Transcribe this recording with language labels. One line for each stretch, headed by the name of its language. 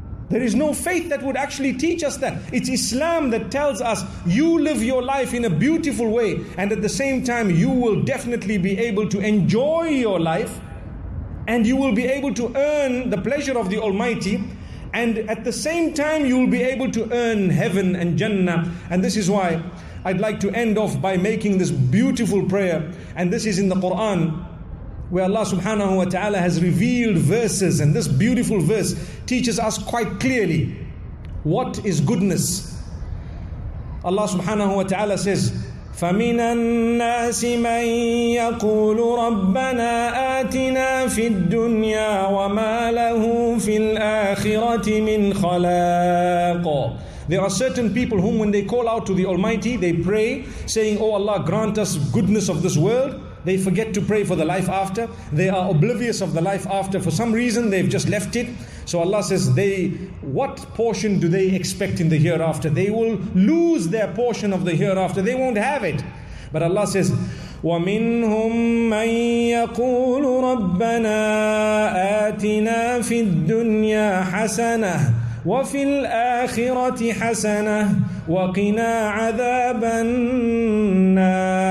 English: There is no faith that would actually teach us that. It's Islam that tells us you live your life in a beautiful way and at the same time you will definitely be able to enjoy your life and you will be able to earn the pleasure of the Almighty and at the same time you will be able to earn heaven and Jannah. And this is why I'd like to end off by making this beautiful prayer, and this is in the Quran, where Allah subhanahu wa ta'ala has revealed verses, and this beautiful verse teaches us quite clearly what is goodness. Allah subhanahu wa ta'ala says,
Arabic: فَمِنَ النَّاسِ مَنْ يَقُولُ رَبَّنَا آتِنَا فِي الدُّنْيَا وَمَا لَهُ فِي الْآخِرَةِ مِنْ خَلَاقٍ.
English: There are certain people whom when they call out to the Almighty, they pray saying, oh Allah, grant us goodness of this world. They forget to pray for the life after. They are oblivious of the life after. For some reason, they've just left it. So Allah says, what portion do they expect in the hereafter? They will lose their portion of the hereafter. They won't have it. But Allah says,
Arabic: وَمِنْهُمْ مَنْ يَقُولُ رَبَّنَا آتِنَا فِي الدُّنْيَا حَسَنَةً وَفِي الْآخِرَةِ حَسَنَةً وَقِنَا عَذَابَ النَّارِ.